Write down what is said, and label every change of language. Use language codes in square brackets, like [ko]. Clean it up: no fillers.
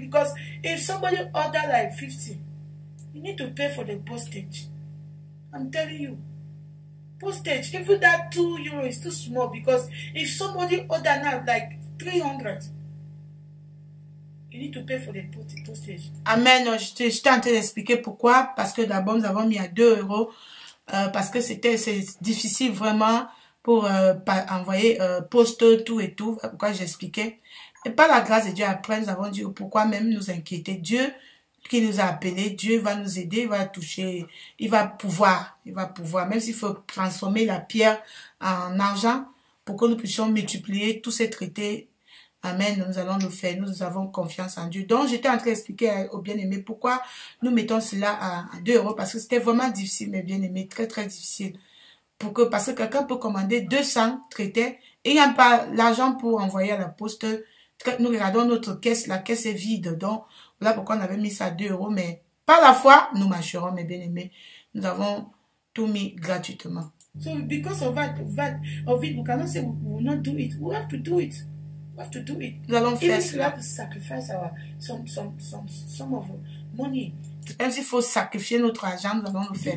[en] Because if somebody order like 50, you need to pay for the postage. I'm telling you. Postage, even that 2 euros is too small because if somebody order now like 300, you need to pay for the postage. Amen. [fr] J'étais en train d'expliquer pourquoi. Parce que d'abord, nous avons mis à 2 euros. Parce que c'était difficile vraiment pour envoyer poste tout et tout, pourquoi j'expliquais. Et par la grâce de Dieu, après, nous avons dit pourquoi même nous inquiéter. Dieu qui nous a appelés, Dieu va nous aider, il va toucher, il va pouvoir. Même s'il faut transformer la pierre en argent pour que nous puissions multiplier tous ces traités. Amen, nous allons le faire, nous avons confiance en Dieu. Donc, j'étais en train d'expliquer aux bien-aimés pourquoi nous mettons cela à 2 euros, parce que c'était vraiment difficile, mes bien-aimés, très, très difficile. Parce que quelqu'un peut commander 200 traités et il n'y a pas l'argent pour envoyer à la poste. Nous regardons notre caisse, la caisse est vide. Donc, voilà pourquoi on avait mis ça à 2 euros, mais par la foi, nous marcherons, mes bien-aimés. Nous avons tout mis gratuitement. [en] So, because of that, we cannot say we will not do it. We have to do it. Have to do it. [fr] Nous allons faire ça. [en] We have to sacrifice our some of money. [fr] Même s'il faut sacrifier notre argent, nous allons le faire.